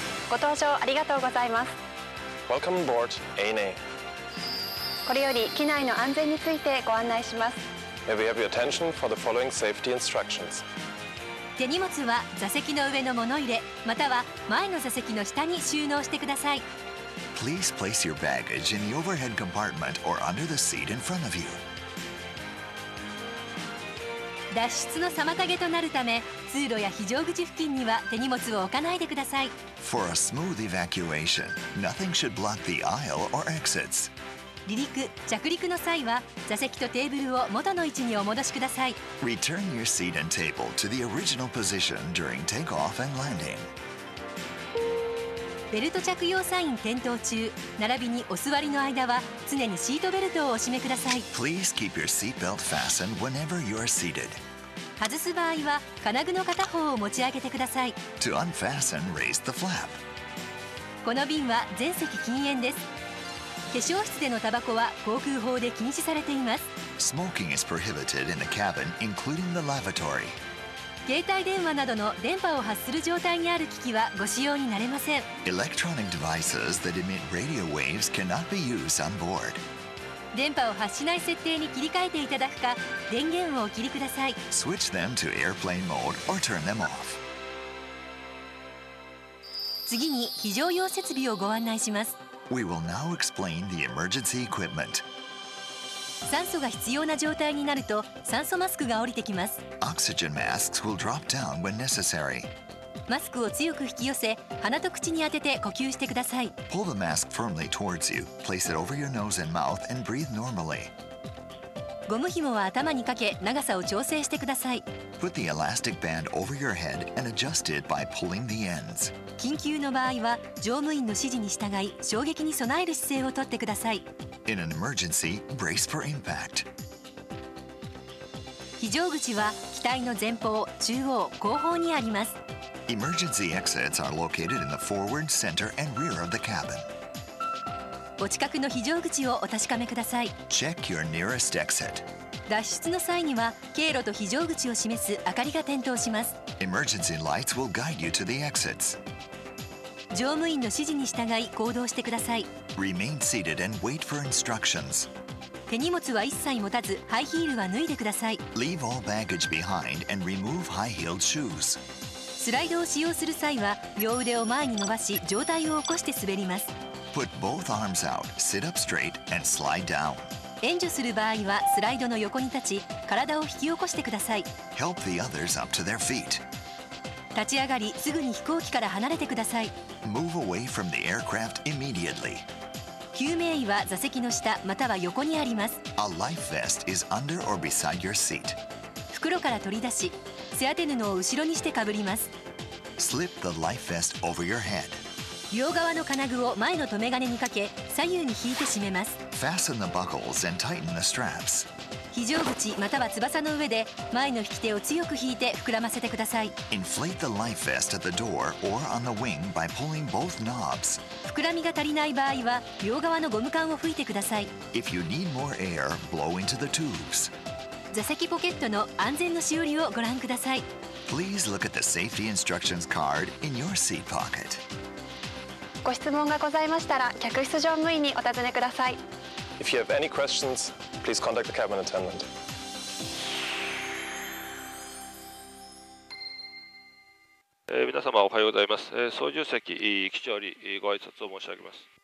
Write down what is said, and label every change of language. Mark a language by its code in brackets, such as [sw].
[ja] ご搭乗ありがとうございます。 [en] Welcome aboard ANA. [ja] これより機内の安全についてご案内します。 [en] May we have your attention for the following safety instructions. [ja] 手荷物は座席の上の物入れまたは前の座席の下に収納してください。 [en] Please place your baggage in the overhead compartment or under the seat in front of you. [ja] 脱出の妨げとなるため通路や非常口付近には手荷物を置かないでください。 [en] For a smooth evacuation, nothing should block the aisle or exits. [ja] 離陸、着陸の際は座席とテーブルを元の位置にお戻しください。 [en] Return your seat and table to the original position during takeoff and landing. [ja] ベルト着用サイン点灯中、並びにお座りの間は常にシートベルトをお締めください。 [en] Please keep your seatbelt fastened whenever you are seated. [ja] 外す場合は金具の片方を持ち上げてください。 [en] To unfasten, raise the flap. [ja] この便は全席禁煙です。化粧室でのタバコは航空法で禁止されています。 [en] Smoking is prohibited in the cabin, including the lavatory. [ja] 携帯電話などの電波を発する状態にある機器はご使用になれません。 [en] Electronic devices that emit radio waves cannot be used on board. [ja] 電波を発しない設定に切り替えていただくか電源をお切りください。 [en] Switch them to airplane mode or turn them off. [ja] 次に非常用設備をご案内します。 [en] We will now explain the emergency equipment. [ja] 酸素が必要な状態になると酸素マスクが降りてきます。 [en] Oxygen masks will drop down when necessary. [ja] マスクを強く引き寄せ鼻と口に当てて呼吸してください。 [en] Pull the mask firmly towards you. Place it over your nose and mouth and breathe normally. [ja] ゴム紐は頭にかけ長さを調整してください。 [en] Put the elastic band over your head and adjust it by pulling the ends. [ja] 緊急の場合は乗務員の指示に従い衝撃に備える姿勢をとってください。 [en] In an emergency, brace for impact. [ja] 非常口は機体の前方、中央、後方にあります。 [en] Emergency exits are located in the forward, center, and rear of the cabin. [ja] お近くの非常口をお確かめください。 [en] Check your nearest exit. [ja] 脱出の際には経路と非常口を示す明かりが点灯します。 [en] Emergency lights will guide you to the exits. [ja] 乗務員の指示に従い行動してください。 [en] Remain seated and wait for instructions. [ja] 手荷物は一切持たず、ハイヒールは脱いでください。 [en] Leave all baggage behind and remove high-heeled shoes. [ja] スライドを使用する際は、両腕を前に伸ばし、上体を起こして滑ります。 [en] Put both arms out, sit up straight, and slide down. [ja] 援助する場合は、スライドの横に立ち、体を引き起こしてください。 [en] Help the others up to their feet. [ja] 立ち上がりすぐに飛行機から離れてください。 [en] Move away from the aircraft immediately. [ja] 救命衣は座席の下または横にあります。 [en] A life vest is under or beside your seat. [ja] 袋から取り出し背当て布を後ろにしてかぶります。 [en] Slip the life vest over your head. [ja] 両側の金具を前の留め金にかけ左右に引いて締めます。 [en] Fasten the buckles and tighten the straps. [ja] 非常口または翼の上で前の引き手を強く引いて膨らませてください。 [en] Inflate the life vest at the door or on the wing by pulling both knobs. [ja] 膨らみが足りない場合は両側のゴム管を吹いてください。 [en] If you need more air, blow into the tubes. [ja] 座席ポケットの安全のしおりをご覧ください。 [en] Please look at the safety instructions card in your seat pocket. [ja] ご質問がございましたら客室乗務員にお尋ねください。 [en] If you have any questions, please contact the cabin attendant. [ja] みなさま、おはようございます。操縦席、機長にご挨拶を申し上げます。